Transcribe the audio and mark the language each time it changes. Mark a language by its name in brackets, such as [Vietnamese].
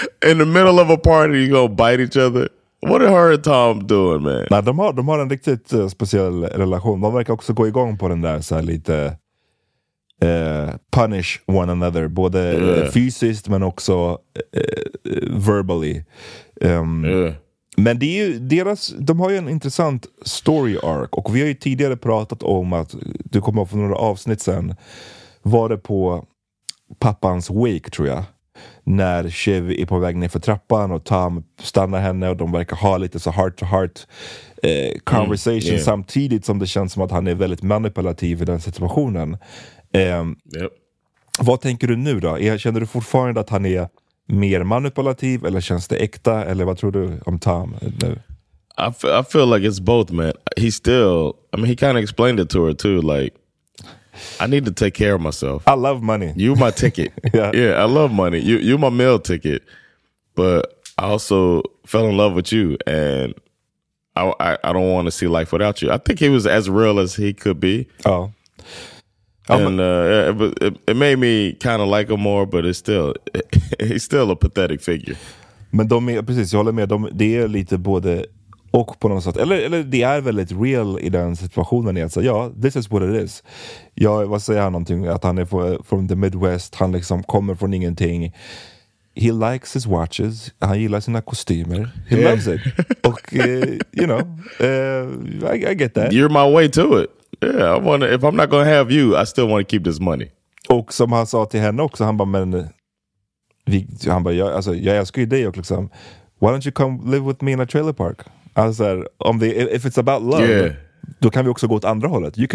[English] In the middle of a party, you go bite each other. What are her and Tom doing, man? [Swedish] Nah, de har en riktigt speciell relation. De verkar också gå igång på den där så lite. [English] Punish one another, [Swedish] både fysiskt men också verbally. Men det är ju deras, de har ju en intressant story arc, och vi har ju tidigare pratat om att du kommer upp för några avsnitt sen, var det på pappans wake tror jag, när Shiv är på väg ner för trappan och Tom stannar henne, och de verkar ha lite så [English] heart to heart conversation [Swedish] samtidigt som det känns som att han är väldigt manipulativ i den situationen. Vad tänker du nu då? Känner du fortfarande att han är mer manipulativ, eller känns det äkta, eller vad tror du om Tom nu? [English] I feel like it's both, man. He kind of explained it to her too, like, I need to take care of myself. I love money. You my ticket. Yeah. Yeah, I love money. You my meal ticket. But I also fell in love with you, and I don't want to see life without you. I think he was as real as he could be. Oh. And it made me kind of like him more, but he's still a pathetic figure. [Swedish] Men de är, precis, jag håller med. Det är lite både och på något sätt. Eller det är väldigt real i den situationen. Alltså, ja, [English] this is what it is. [Swedish] Ja, vad säger han någonting? Att han är från the Midwest. Han liksom kommer från ingenting. [English] He likes his watches. [Swedish] Han gillar sina kostymer. [English] He loves it. [Swedish] Och, [English] you know, I get that. You're my way to it. Yeah, if I'm not gonna have you, I still want to keep this money. [Swedish] Och som han sa till henne också, han bara, men han bara, jag älskar ju dig och liksom, [English] why don't you come live with me in a trailer park? [Swedish] Alltså, [English] if it's about love, [Swedish] då kan vi också gå åt andra hållet.